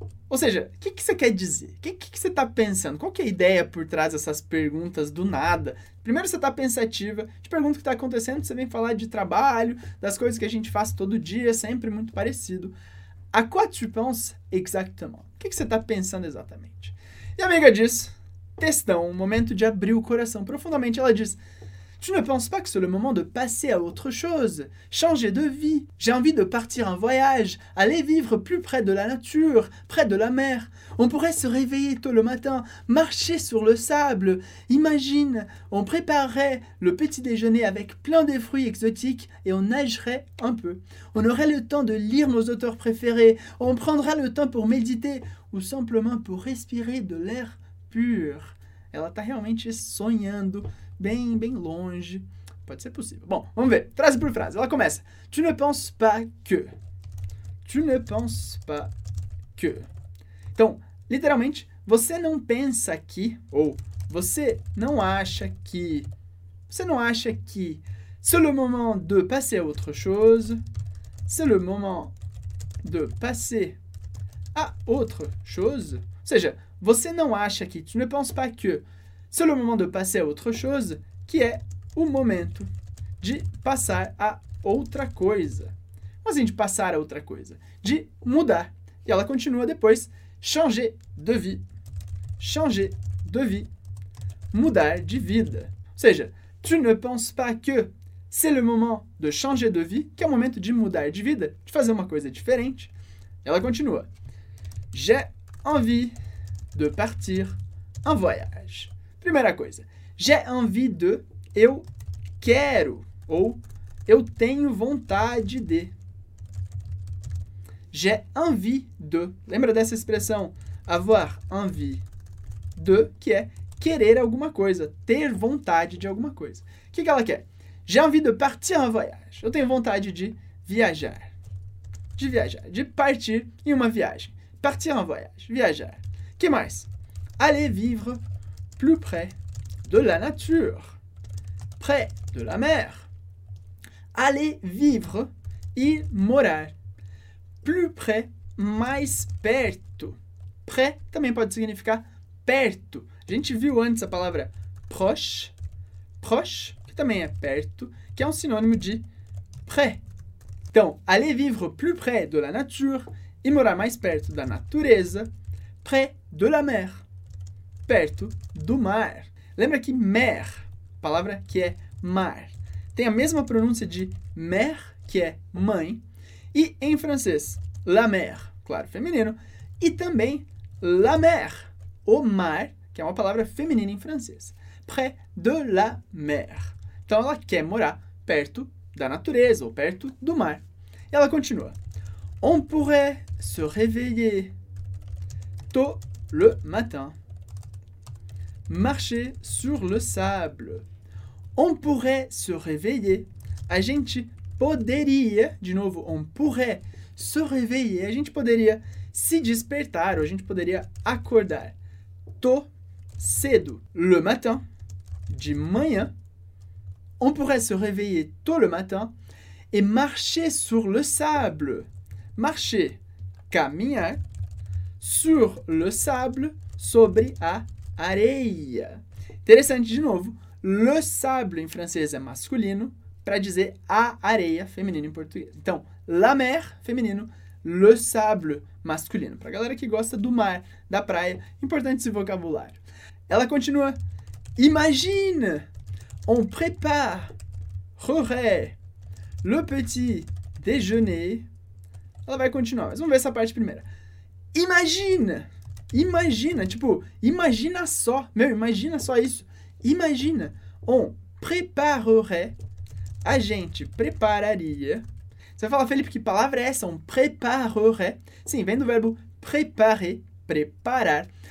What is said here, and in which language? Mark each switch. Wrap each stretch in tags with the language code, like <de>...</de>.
<pt>Ou seja, o que você quer dizer? O que você está pensando? Qual que é a ideia por trás dessas perguntas do nada? Primeiro você está pensativa, te pergunta o que está acontecendo, você vem falar de trabalho, das coisas que a gente faz todo dia, sempre muito parecido.</pt> <fr>A quoi tu penses exactement?</fr> <pt>O que você está pensando exatamente? E a amiga diz, textão, um momento de abrir o coração profundamente, ela diz,</pt> <fr>tu ne penses pas que c'est le moment de passer à autre chose, changer de vie, j'ai envie de partir en voyage, aller vivre plus près de la nature, près de la mer, on pourrait se réveiller tôt le matin, marcher sur le sable, imagine, on préparerait le petit déjeuner avec plein de fruits exotiques et on nagerait un peu, on aurait le temps de lire nos auteurs préférés, on prendra le temps pour méditer ou simplement pour respirer de l'air pur.</fr> <pt>Ela tá realmente sonhando bem, bem longe. Pode ser possível. Bom, vamos ver. Frase por frase. Ela começa.</pt> <fr>Tu ne penses pas que. Tu ne penses pas que.</fr> <pt>Então, literalmente, você não pensa que, ou você não acha que. Você não acha que.</pt> <fr>C'est le moment de passer à autre chose. C'est le moment de passer à autre chose.</fr> <pt>Ou seja, você não acha que,</pt> <fr>tu ne penses pas que, c'est le moment de passer à autre chose,</fr> <pt>que é o momento de passar a outra coisa. Mas assim, de passar a outra coisa, de mudar. E ela continua depois,</pt> <fr>changer de vie,</fr> <pt>mudar de vida. Ou seja,</pt> <fr>tu ne penses pas que, c'est le moment de changer de vie,</fr> <pt>que é o momento de mudar de vida, de fazer uma coisa diferente. E ela continua,</pt> <fr>j'ai envie de partir en voyage.</fr> <pt>Primeira coisa,</pt> <fr>j'ai envie de,</fr> <pt>eu quero, ou eu tenho vontade de.</pt> <fr>J'ai envie de,</fr> <pt>lembra dessa expressão,</pt> <fr>avoir envie de,</fr> <pt>que é querer alguma coisa, ter vontade de alguma coisa. O que ela quer?</pt> <fr>J'ai envie de partir en voyage,</fr> <pt>eu tenho vontade de viajar. De viajar, de partir em uma viagem.</pt> <fr>Partir en voyage,</fr> <pt>viajar. Que mais?</pt> <fr>Aller vivre plus près de la nature, près de la mer. Aller vivre,</fr> <pt>ir morar,</pt> <fr>plus près,</fr> <pt>mais perto. Près também pode significar perto. A gente viu antes a palavra proche, proche, que também é perto, que é um sinônimo de près. Então,</pt> <fr>aller vivre plus près de la nature,</fr> <pt>e morar mais perto da natureza,</pt> <fr>près de la mer,</fr> <pt>perto do mar. Lembra que mer, palavra que é mar, tem a mesma pronúncia de mère, que é mãe, e em francês, la mer, claro, feminino, e também la mer, o mar, que é uma palavra feminina em francês,</pt> <fr>près de la mer.</fr> <pt>Então, ela quer morar perto da natureza, ou perto do mar. E ela continua.</pt> <fr>On pourrait se réveiller tôt le matin. Marcher sur le sable. On pourrait se réveiller.</fr> <pt>A gente poderia, de novo,</pt> <fr>on pourrait se réveiller.</fr> <pt>A gente poderia se despertar, ou a gente poderia acordar. Tôt, cedo,</pt> <fr>le matin,</fr> <pt>de manhã.</pt> <fr>On pourrait se réveiller tôt le matin et marcher sur le sable.</fr> <pt>Marcher, caminhar,</pt> <fr>sur le sable,</fr> <pt>sobre a areia. Interessante, de novo, le sable em francês é masculino para dizer a areia, feminino em português. Então, la mer, feminino, le sable, masculino. Para a galera que gosta do mar, da praia, importante esse vocabulário. Ela continua,</pt> <fr>imagine... On préparerait le petit déjeuner.</fr> <pt>Ela vai continuar, mas vamos ver essa parte primeiro.</pt> <fr>Imagine,</fr> <pt>imagina, tipo, imagina só, meu, imagina só isso.</pt> <fr>Imagine, on préparerait,</fr> <pt>a gente prepararia. Você vai falar, Felipe, que palavra é essa,</pt> <fr>on préparerait?</fr> <pt>Sim, vem do verbo préparer, preparar.</pt>